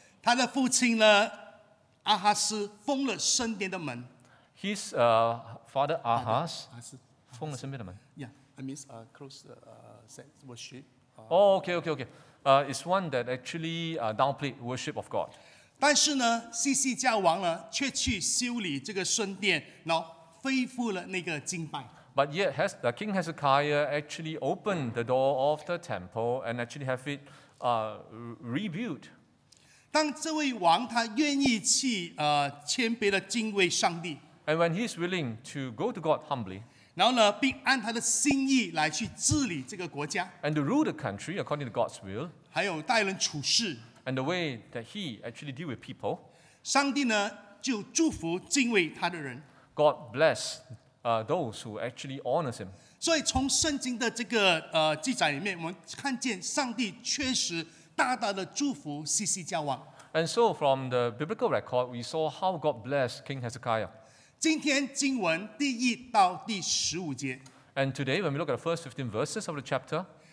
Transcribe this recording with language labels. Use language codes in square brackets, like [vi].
[en] His father Ahaz opened the temple. Yeah, I mean close worship. Okay. It's one that actually downplayed worship of God. [zh] 但是呢, 西西家王呢, 却去修理这个圣殿, 然后恢复了那个敬拜。 [en] But yet, King Hezekiah actually opened the door of the temple and actually have it rebuilt. [zh] 当这位王他愿意去, 谦卑地敬畏上帝, [en] and when he's willing to go to God humbly, [zh] 然后呢, 并按他的心意来去治理这个国家, [en] and to rule the country according to God's will, [zh] 还有待人处事, [en] and the way that he actually deal with people, [zh] 上帝呢, 就祝福敬畏他的人, [en] God bless those who actually honors him. [zh] 所以从圣经的这个, 记载里面, 我们看见上帝确实大大地祝福西西家王。 [en] And so from the biblical record, we saw how God blessed King Hezekiah. [zh] 今天经文第1到第15节, [en] and today, when we look at the first 15 verses of the chapter,